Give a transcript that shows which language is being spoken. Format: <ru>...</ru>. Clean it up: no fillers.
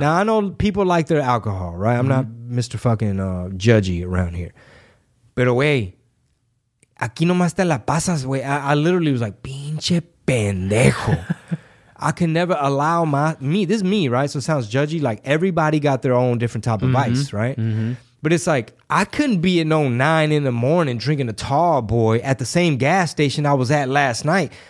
<en>Now, I know people like their alcohol, right? I'm not Mr. Fucking judgy around here.</en> <es>Pero, güey, aquí nomás te la pasas, güey.</es> <en>I literally was like,</en> <es>pinche pendejo.</es> <en>I can never allow this is me, right? So it sounds judgy. Like everybody got their own different type of vice, right? Mm-hmm. But it's like, I couldn't be at 9 in the morning drinking a tall boy at the same gas station I was at last night.</en>